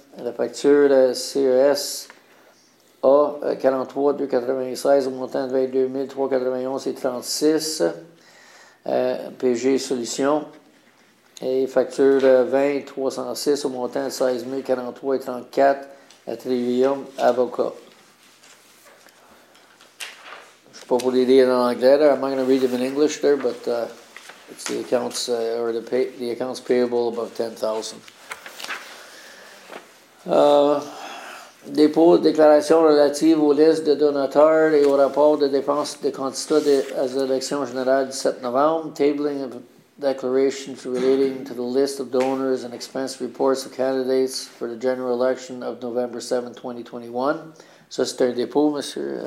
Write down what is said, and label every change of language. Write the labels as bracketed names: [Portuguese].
[French] La facture de CES A43-296 au montant de 22 391,36 PG Solutions. Et facture 20-306 au montant de 16 043,34 à Trivium Avocat. Je ne sais pas pour les lire en anglais. [English] I'm not going to read them in English there, but it's the accounts or the accounts payable above 10,000. [French] Dépôt de déclaration relative aux listes de donateurs et au rapport de dépenses de candidats à l'élection générale du 7 novembre. [English] Tabling of declarations relating to the list of donors and expense reports of candidates for the general election of November 7, 2021. [French] Ça, c'est un dépôt, monsieur?